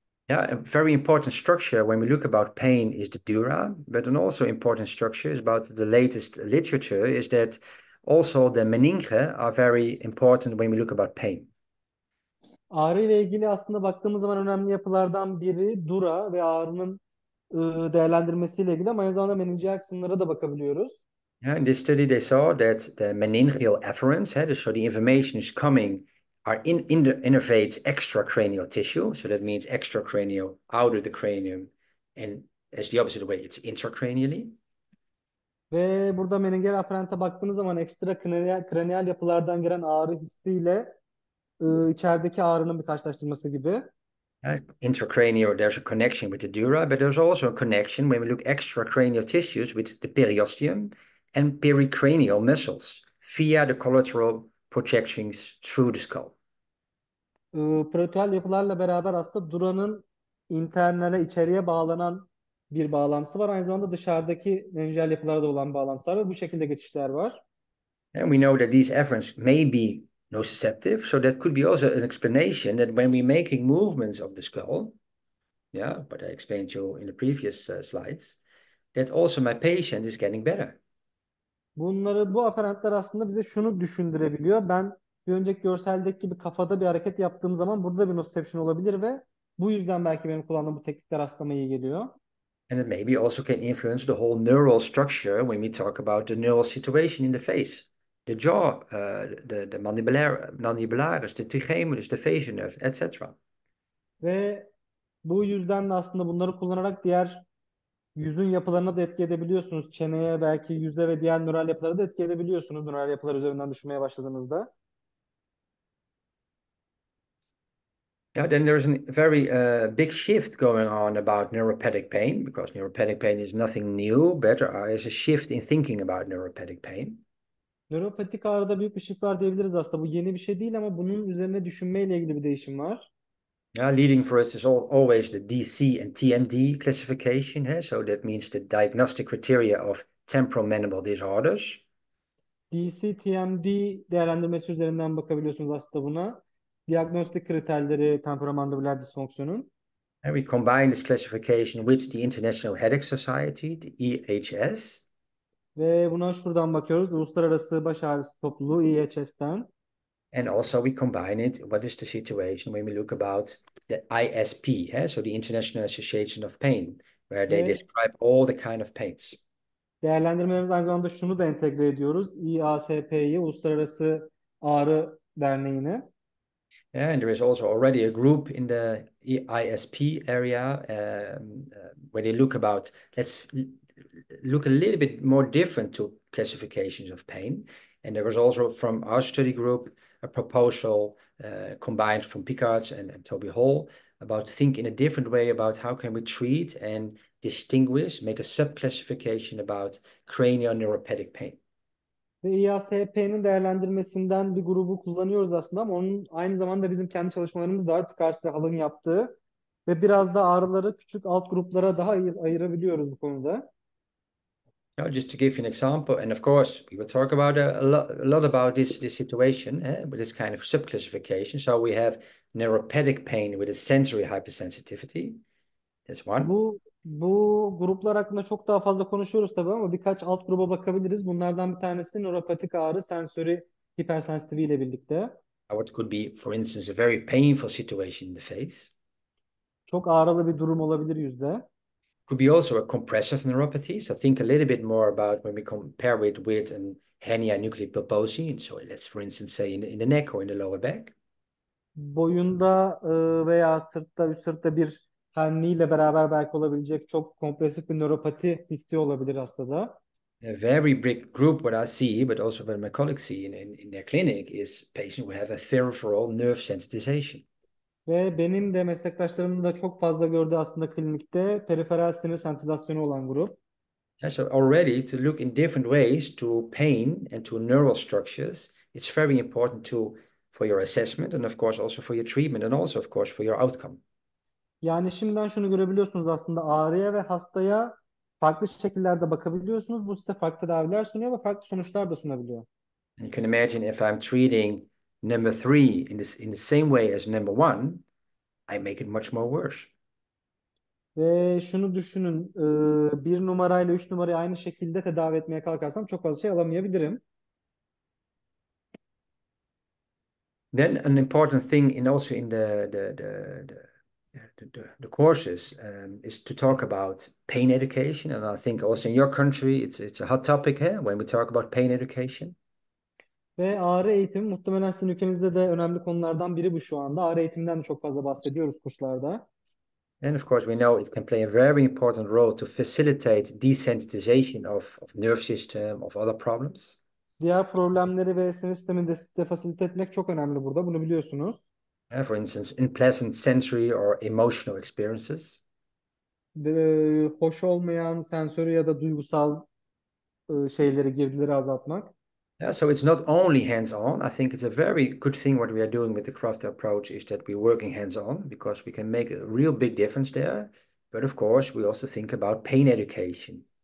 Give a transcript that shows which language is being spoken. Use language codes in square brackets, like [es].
[en] a very important structure when we look about pain is the dura, but an also important structure is about the latest literature is that also the meninge are very important when we look about pain. [tr] Ağrı ile ilgili aslında baktığımız zaman önemli yapılardan biri dura ve ağrının değerlendirmesiyle ilgili ama aynı zamanda meningeal kısımlara da bakabiliyoruz. [en] In this study, they saw that the meningeal afferents, so the information is coming, are in the innervates extracranial tissue. So that means extracranial out of the cranium, and as the opposite way, it's intracranially. [tr] Ve burada meningeal aferente baktığınız zaman ekstra kranial yapılardan gelen ağrı hissiyle içerideki ağrının bir karşılaştırması gibi. [en] Intracranial, there's a connection with the dura, but there's also a connection when we look extracranial tissues with the periosteum. And pericranial muscles via the collateral projections through the skull. [tr] Proteal yapılarla beraber aslında duranın internale içeriye bağlanan bir bağlantısı var. Aynı zamanda dışarıdaki meningeal yapılara da olan bağlantısı var ve bu şekilde geçişler var. [en] And we know that these afferents may be nociceptive, so that could be also an explanation that when we're making movements of the skull, but I explained to you in the previous slides, that also my patient is getting better. [tr] Bunları, bu aferentler aslında bize şunu düşündürebiliyor. Ben bir önceki görseldeki gibi kafada bir hareket yaptığım zaman burada bir nosepsin olabilir ve bu yüzden belki benim kullandığım bu teknikler aslında iyi geliyor. [en] And it maybe also can influence the whole neural structure when we talk about the neural situation in the face, the jaw, the mandibularis, the trigeminus, the facial nerve, etc. [tr] Ve bu yüzden de aslında bunları kullanarak diğer yüzün yapılarına da etki edebiliyorsunuz. Çeneye belki yüze ve diğer nöral yapılara da etki edebiliyorsunuz nöral yapılar üzerinden düşünmeye başladığınızda. [en] Yeah, then there is a very big shift going on about neuropathic pain because neuropathic pain is nothing new, but there is a shift in thinking about neuropathic pain. [tr] Nöropatik ağrıda büyük bir şey var diyebiliriz aslında. Bu yeni bir şey değil ama bunun üzerine düşünmeyle ilgili bir değişim var. [en] Leading for us is always the DC and TMD classification. So that means the diagnostic criteria of temporomandibular disorders. [tr] DC, TMD değerlendirmesi üzerinden bakabiliyorsunuz aslında buna. Diagnostik kriterleri, temporomandibüler disfonksiyonun. [en] And we combine this classification with the International Headache Society, the EHS. [tr] Ve buna şuradan bakıyoruz. Uluslararası Baş Ağrısı Topluluğu EHS'ten. [en] And also we combine it, what is the situation when we look about the ISP, so the International Association of Pain, where they [tr] Ve [en] describe all the kind of pains. [tr] değerlendirmemiz aynı zamanda şunu da entegre ediyoruz. IASP'yi, Uluslararası Ağrı Derneği'ni. [en] And there is also already a group in the ISP area where they look about, let's look a little bit more different to classifications of pain. And there was also from our study group a proposal combined from Picard and Toby Hall about thinking a different way about how can we treat and distinguish, make a subclassification about cranial neuropathic pain. [tr] EASP'nin değerlendirmesinden bir grubu kullanıyoruz aslında ama onun aynı zamanda bizim kendi çalışmalarımız da artık karşı halın yaptığı ve biraz da ağrıları küçük alt gruplara daha ayırabiliyoruz bu konuda. [en] Now, just to give you an example, and of course, we will talk about a lot about this situation, with this kind of subclassification. So we have neuropathic pain with a sensory hypersensitivity. That's one. [tr] Bu gruplar hakkında çok daha fazla konuşuyoruz tabii ama birkaç alt gruba bakabiliriz. Bunlardan bir tanesi nöropatik ağrı sensörü hipersensitivliği ile birlikte. [en] What could be, for instance, a very painful situation in the face? [tr] Çok ağrılı bir durum olabilir yüzde. [en] Could be also a compressive neuropathy. So think a little bit more about when we compare it with an hernia nuclei pulposi. So let's, for instance, say in the neck or in the lower back. [tr] Boyunda veya üst sırtta bir herniyle beraber belki olabilecek çok kompresif bir nöropati hissi olabilir hastada. [en] A very big group, what I see, but also what my colleagues see in their clinic, is patients who have a peripheral nerve sensitization. [tr] Ve benim de meslektaşlarım da çok fazla gördü aslında klinikte periferal sinir sensizasyonu olan grup. [en] So already to look in different ways to pain and to neural structures, it's very important to for your assessment and of course also for your treatment and also of course for your outcome. [tr] Yani şimdiden şunu görebiliyorsunuz aslında ağrıya ve hastaya farklı şekillerde bakabiliyorsunuz. Bu size farklı tedaviler sunuyor ve farklı sonuçlar da sunabiliyor. [en] You can imagine if I'm treating number three in the same way as number one, I make it much more worse. [tr] Ve şunu düşünün, bir numarayla üç numarayı aynı şekilde tedavi etmeye kalkarsam çok fazla şey alamayabilirim. [en] Then an important thing in also in the courses is to talk about pain education, and I think also in your country it's a hot topic here when we talk about pain education. [tr] Ve ağrı eğitimi muhtemelen sizin ülkenizde de önemli konulardan biri bu şu anda. Ağrı eğitiminden de çok fazla bahsediyoruz kurslarda. [en] And of course we know it can play a very important role to facilitate desensitization of nerve system of other problems. [tr] Diğer problemleri ve sinir sistemini de fasilite etmek çok önemli burada. Bunu biliyorsunuz. [en] For instance, unpleasant sensory or emotional experiences. [tr] Hoş olmayan sensörü ya da duygusal şeyleri, girdileri azaltmak. [en] Yeah, so it's not only hands-on. I think it's a very good thing what we are doing with the Crafter approach is that we're working hands-on because we can make a real big difference there. But of course, we also think about pain education.